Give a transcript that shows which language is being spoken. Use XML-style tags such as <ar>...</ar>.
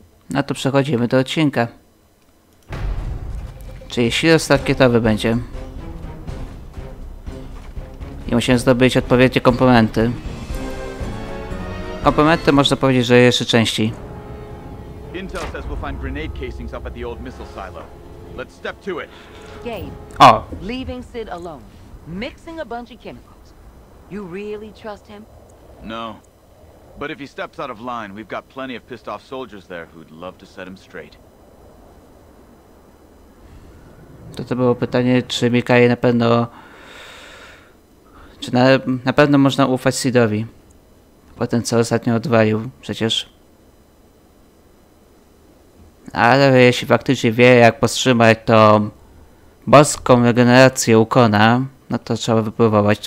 <pl>No to przechodzimy do odcinka. Czyli silos rakietowy będzie. I musimy zdobyć odpowiednie komponenty. Komponenty można powiedzieć, że jeszcze części.</pl> <en>Intel says we'll find grenade casings up at the old missile silo. Let's step to it. Gabe. O. Leaving Sid alone. Mixing a bunch of chemicals. You really trust him? No. But if he steps out of line, we've got plenty of pissed off soldiers there who'd love to set him straight.</en> <pl>To było pytanie, czy Mikai na pewno... Czy na pewno można ufać Sidowi? Po tym, co ostatnio odwalił, przecież. Ale jeśli faktycznie wie, jak powstrzymać tą boską regenerację Ukona, no to trzeba wypróbować.</pl>